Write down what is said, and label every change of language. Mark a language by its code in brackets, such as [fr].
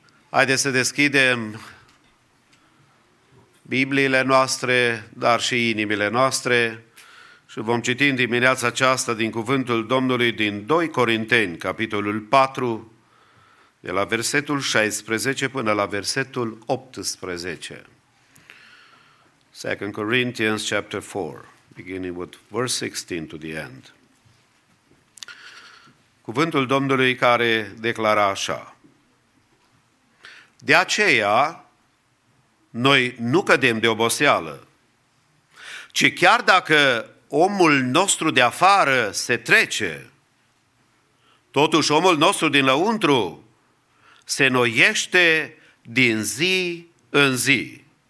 [ro] Haideți să deschidem Bibliile noastre, dar și inimile noastre, și vom citi în dimineața aceasta din cuvântul Domnului din 2 Corinteni, capitolul 4, de la versetul 16 până la versetul 18. [en] 2 Corinthians chapter 4. Beginning with verse 16 to the end. [ro] Cuvântul Domnului care declara așa. De aceea, noi nu cădem de oboseală, ci chiar dacă omul nostru de afară se trece, totuși omul nostru din lăuntru se noiește din zi în zi.